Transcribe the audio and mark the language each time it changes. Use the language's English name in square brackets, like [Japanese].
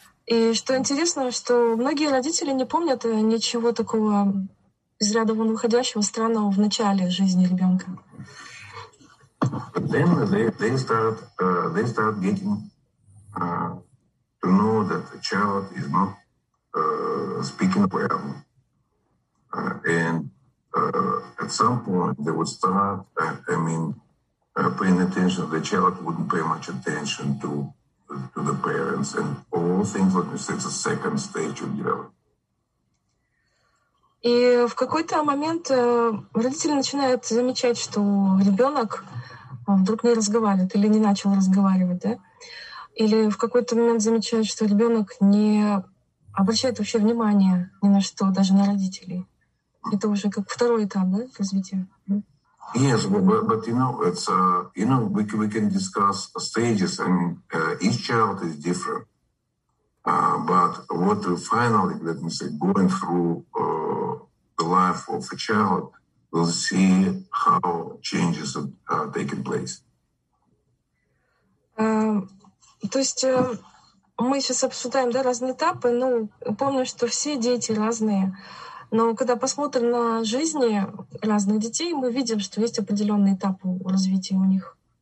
[Russian] И что интересно, что многие родители не помнят ничего такого из ряда вон выходящего, странного в начале жизни ребенка. [English] Then they start getting to know that the child is not speaking well. And at some point they would start, paying attention. The child wouldn't pay much attention to the parents, and all things like this, it's a second stage of development. [Russian] И в какой-то момент родители начинают замечать, что ребенок вдруг не разговаривает или не начал разговаривать, да? Или в какой-то момент замечают, что ребенок не обращает вообще внимания ни на что, даже на родителей. Это уже как второй этап, да, развития? [English] Yes, but you know, it's you know, we can discuss stages. I mean, each child is different. But what will finally, let me say, going through the life of a child, we'll see how changes are taking place. [Russian] То есть мы сейчас обсуждаем, да, разные этапы. Ну, помню, что все дети разные. Но когда посмотрим на жизни разных детей, мы видим, что есть определенные этапы развития у них.